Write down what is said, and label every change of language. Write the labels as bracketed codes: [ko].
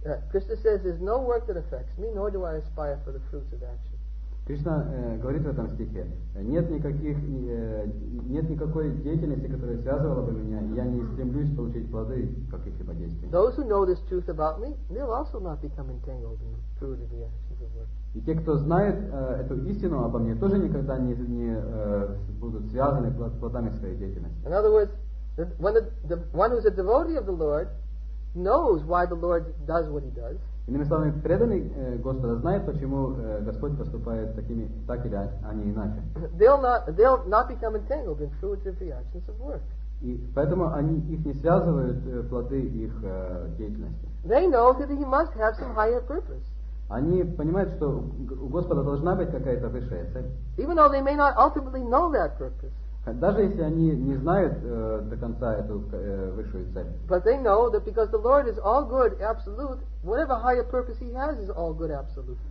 [en] Krishna says, there's no work that affects me, nor do I aspire for the fruits of action. [ru] Кришна говорит в этом стихе, нет никакой деятельности, которая связывала бы меня, я не стремлюсь получить плоды каких-либо действий. [en] Those who know this truth about me, they'll also not become entangled in the fruit of the actions of work. [ru] И те, кто знает эту истину обо мне, тоже никогда не будут связаны плодами своей деятельности. [en] In other words, the one who's a devotee of the Lord knows why the Lord does what he does. [ru] Иными словами, преданный Господа знает, почему Господь поступает так или иначе. [en] They'll not become entangled in fruits of the actions of work. [ru] И поэтому они их не связывают плоды их деятельности. [en] They know that he must have some higher purpose. [ru] Они понимают, что у Господа должна быть какая-то высшая цель. [en] Even though they may not ultimately know that purpose. [ru] Даже если они не знают до конца эту высшую цель. [en] But they know that because the Lord is all good, absolute, whatever higher purpose he has is all good, absolute.